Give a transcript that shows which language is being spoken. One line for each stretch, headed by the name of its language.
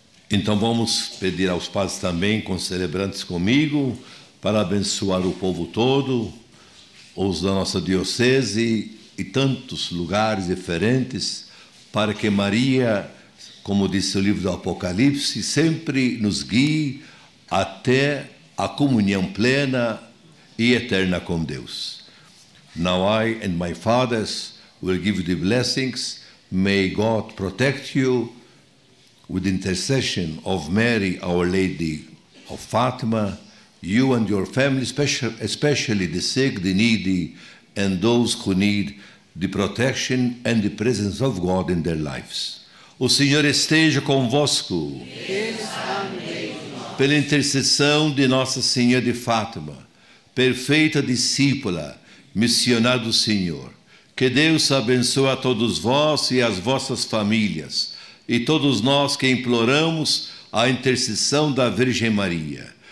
Portuguese: Então vamos pedir aos padres também, concelebrantes comigo, para abençoar o povo todo, os da nossa diocese e tantos lugares diferentes, para que Maria, como disse o livro do Apocalipse, sempre nos guie até a comunhão plena e eterna com Deus.
English: Now I and my fathers will give you the blessings. May God protect you with intercession of Mary, Our Lady of Fatima, you and your family, especially the sick, the needy, and those who need the protection and the presence of God in their lives.
Portuguese: O Senhor esteja convosco. Pela intercessão de Nossa Senhora de Fátima, perfeita discípula, missionário do Senhor, que Deus abençoe a todos vós e as vossas famílias, e todos nós que imploramos a intercessão da Virgem Maria.